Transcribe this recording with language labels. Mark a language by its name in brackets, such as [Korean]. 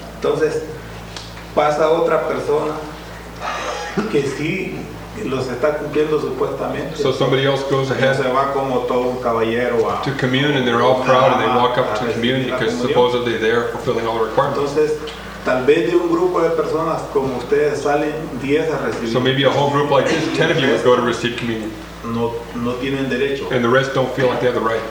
[Spanish] Entonces, pasa otra persona que sí los está cumpliendo supuestamente. [English] So somebody else goes ahead [Spanish] se va como todo un caballero a, [English] to commune, and they're all proud, and they walk up to commune because supposedly they're fulfilling all the requirements. [Spanish] Entonces, tal vez de un grupo de personas como ustedes salen 10 a recibir. [English] So maybe a whole group like this, 10 of you would go to receive communion. [Spanish] No tienen derecho. [English] And the rest don't feel like they have the right.